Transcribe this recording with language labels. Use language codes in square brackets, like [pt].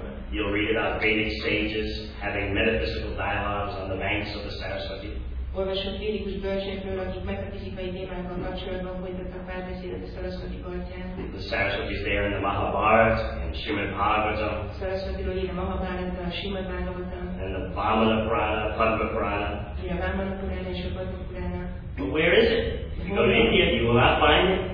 [en] You'll read about Vedic sages having metaphysical dialogues on the banks of the Saraswati. [hu] Olvasott védikus bölcsekről, akik metafizikai témákban kapcsolatban folytattak párbeszédet a Saraswati partján. [en] The Saraswati is there in the Mahabharata and Srimad Bhagavatam. [hu] Saraswati-ról ír a Mahabharata, a Srimad Bhagavatam. [en] And the Vamana Purana, Padma Purana. [hu] Ír a Vamana Purana és a Padma Purana. [en] But where is it? If you go to India, you will not find it.